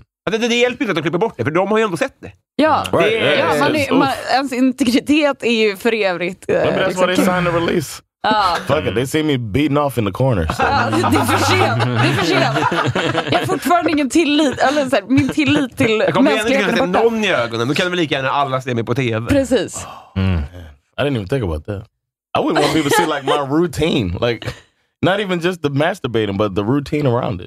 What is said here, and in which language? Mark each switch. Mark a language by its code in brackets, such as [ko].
[sv] Det hjälper inte att de klipper bort det, för de har ju ändå sett det. Ja, ens integritet är ju för evigt. [en] Maybe that's why they signed the release. Fuck it, they see me beating off in the corner. [sv] Det är för sent. Jag har fortfarande ingen tillit. Eller så här, min tillit till mänskliga klipper borta. Jag kommer inte kunna se någon i ögonen. Då kan väl lika gärna alla se mig på TV. Precis. [en] I didn't even think about that. I wouldn't want people to see like my routine. Like... Not even just the masturbating, but the routine around it.